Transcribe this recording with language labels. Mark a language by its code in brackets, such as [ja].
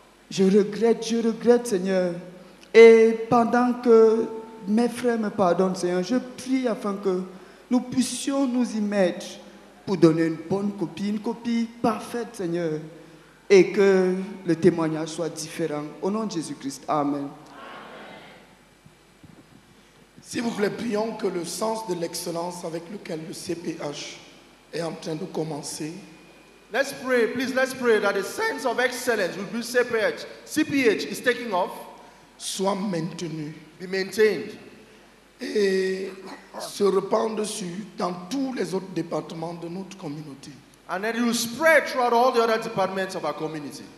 [fr] Je regrette, Seigneur. Et pendant que mes frères me pardonnent, Seigneur, je prie afin que nous puissions nous y mettre pour donner une bonne copie, une copie parfaite, Seigneur, et que le témoignage soit différent. Au nom de Jésus-Christ, amen. S'il vous plaît, prions que le sens de l'excellence avec lequel le CPH est en train de commencer. [en] Let's pray, please, let's pray that the sense of excellence with which CPH is taking off [fr] soit maintenu. [en] Be maintained. [fr] Et se répand dessus dans tous les autres départements de notre communauté. [en] And then it will spread throughout all the other departments of our community.